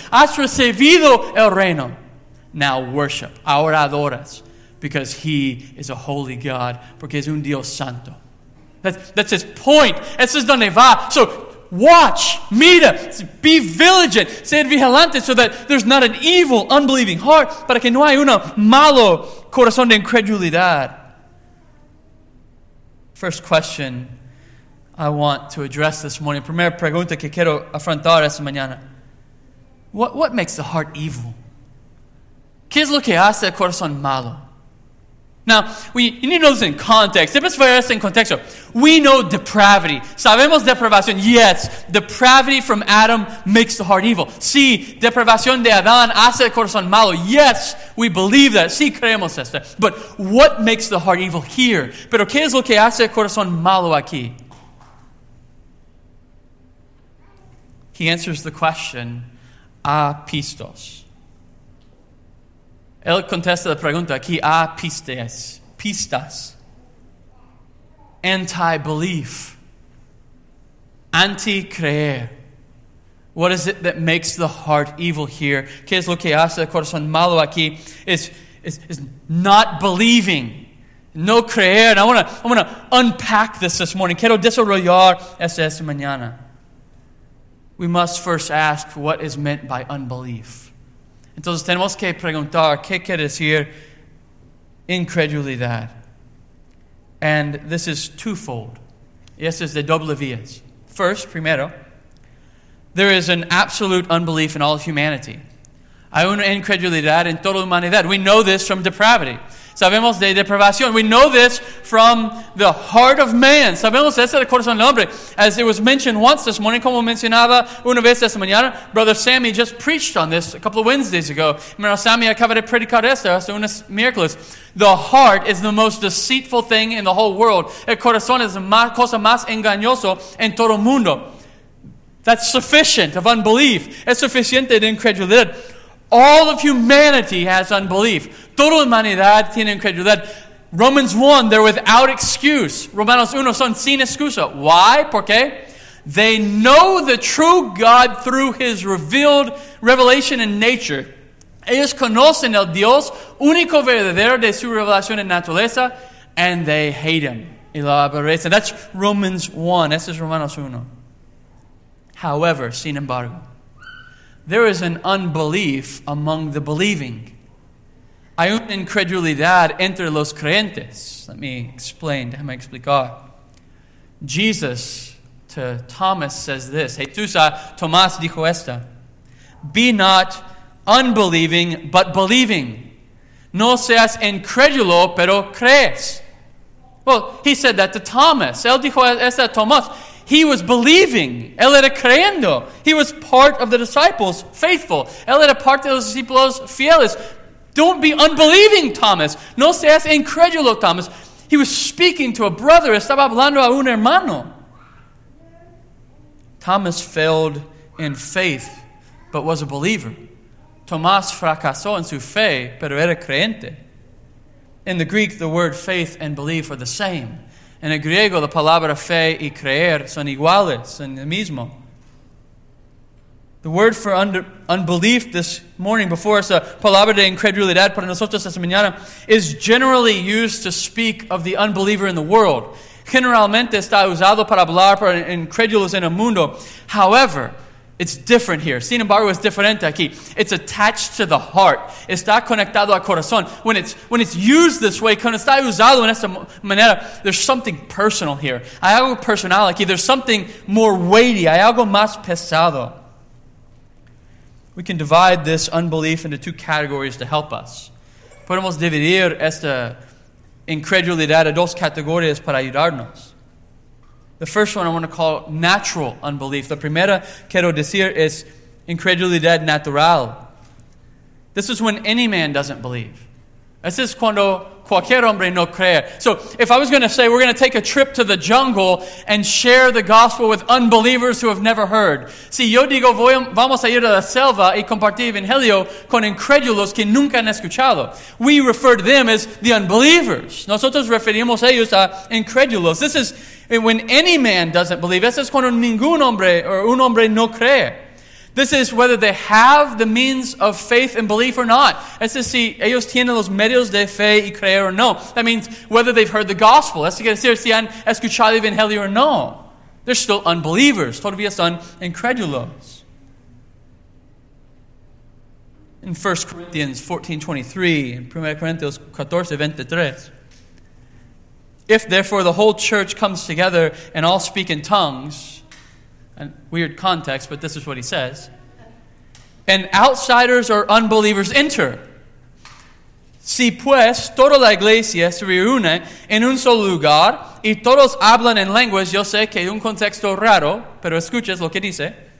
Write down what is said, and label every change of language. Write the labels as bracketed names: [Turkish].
[Spanish] Has recibido el reino. [English] Now worship. [Spanish] Ahora adoras. [English] Because he is a holy God. [Spanish] Porque es un Dios santo. [English] That's his point. [Spanish] Eso es donde va. [English] So watch. [Spanish] Mira. [English] Be vigilant. [Spanish] Sed vigilante [English] so that there's not an evil, unbelieving heart. [Spanish] Para que no haya un malo corazón de incredulidad. [English] First question I want to address this morning. [Spanish] Primera pregunta que quiero afrontar esta mañana. [English] What makes the heart evil? [Spanish] ¿Qué es lo que hace el corazón malo? [English] Now, you need to know this in context. [Spanish] Debes ver esto en contexto. [English] We know depravity. [Spanish] Sabemos depravación. [English] Yes, depravity from Adam makes the heart evil. [Spanish] Sí, depravación de Adán hace el corazón malo. [English] Yes, we believe that. [Spanish] Sí, creemos esto. [English] But what makes the heart evil here? [Spanish] Pero ¿qué es lo que hace el corazón malo aquí? [English] He answers the question, apistos. [Spanish] Él contesta la pregunta aquí, apistes, pistas, anti-belief, anti-creer. [English] What is it that makes the heart evil here? [Spanish] ¿Qué es lo que hace el corazón malo aquí? [English] Is not believing, [Spanish] no creer. [English] I want to unpack this morning. [Spanish] Quiero desarrollar esta mañana. [English] We must first ask what is meant by unbelief. [Spanish] Entonces tenemos que preguntar, ¿qué quiere decir incredulidad? [English] And this is twofold. [Spanish] Y esta es de doble vías. [English] First, primero, there is an absolute unbelief in all humanity. [Spanish] Hay una incredulidad en toda humanidad. [English] We know this from depravity. [Spanish] Sabemos de depravación. [English] We know this from the heart of man. [Spanish] Sabemos eso del corazón del hombre. [English] As it was mentioned once this morning, [Spanish] como mencionaba una vez esta mañana, [English] Brother Sammy just preached on this a couple of Wednesdays ago. [Spanish] Mira, Sammy acaba de predicar esto hace unos miércoles. [English] The heart is the most deceitful thing in the whole world. [Spanish] El corazón es la cosa más engañoso en todo el mundo. [English] That's sufficient of unbelief. [Spanish] Es suficiente de incredulidad. [English] All of humanity has unbelief. [Spanish] Toda humanidad tiene incredulidad. [English] Romans 1, they're without excuse. [Spanish] Romanos 1, son sin excusa. [English] Why? [Spanish] ¿Por qué? [English] They know the true God through his revealed revelation in nature. [Spanish] Ellos conocen el Dios único verdadero de su revelación en naturaleza, [English] and they hate him. [Spanish] Y lo aborrecen. [English] That's Romans 1. [Spanish] Ese es Romanos 1. [English] However, [Spanish] sin embargo, [English] there is an unbelief among the believing. [Spanish] Hay una incredulidad entre los creyentes. [English] Let me explain. [Spanish] Déjame explicar. [English] Jesus to Thomas says this. [Spanish] Jesús a Tomás dijo esta. [English] Be not unbelieving, but believing. [Spanish] No seas incrédulo, pero crees. [English] Well, he said that to Thomas. [Spanish] Él dijo esta a Tomás. [English] He was believing. [Spanish] Él era creyendo. [English] He was part of the disciples, faithful. [Spanish] Él era parte de los discípulos fieles. Don't be unbelieving, Thomas. No seas incrédulo, Thomas. [English] He was speaking to a brother. [Spanish] Estaba hablando a un hermano. [English] Thomas failed in faith, but was a believer. [Spanish] Tomás fracasó en su fe, pero era creyente. [English] In the Greek, the word faith and belief are the same. [Spanish] En el griego, la palabra fe y creer son iguales, son el mismo. [English] The word for unbelief this morning before us, [Spanish] a palabra de incredulidad para nosotros esta mañana, [English] is generally used to speak of the unbeliever in the world. [Spanish] Generalmente está usado para hablar para incrédulos en el mundo. [English] However, it's different here. [Spanish] Sin embargo, es diferente aquí. [English] It's attached to the heart. [Spanish] Está conectado al corazón. [English] When it's used this way, [Spanish] cuando está usado en esta manera, [English] there's something personal here. [Spanish] Hay algo personal aquí. [English] There's something more weighty. [Spanish] Hay algo más pesado. [English] We can divide this unbelief into two categories to help us. [Spanish] Podemos dividir esta incredulidad en dos categorías para ayudarnos. [English] The first one I want to call natural unbelief. [Spanish] La primera quiero decir es incredulidad natural. [English] This is when any man doesn't believe. This is [Spanish] cuando cualquier hombre no cree. [English] So if I was going to say we're going to take a trip to the jungle and share the gospel with unbelievers who have never heard. [Spanish] Si yo digo vamos a ir a la selva y compartir evangelio con incrédulos que nunca han escuchado. [English] We refer to them as the unbelievers. [Spanish] Nosotros referimos a ellos a incrédulos. [English] This is when any man doesn't believe. [Spanish] Eso es cuando ningún hombre o un hombre no cree. [English] This is whether they have the means of faith and belief or not. [Spanish] Es decir, ellos tienen los medios de fe y creer o no. [English] That means whether they've heard the gospel. [Spanish] Es decir, si han escuchado evangelio o no. [English] They're still unbelievers. [Spanish] Todavía son incrédulos. [English] In 1 Corinthians 14:23, if therefore the whole church comes together and all speak in tongues, and weird context, but this is what he says. And outsiders or unbelievers enter. [Spanish] Si pues toda la iglesia se reúne en un solo lugar y todos hablan en lenguas, yo sé que un contexto raro, pero escuches lo que dice.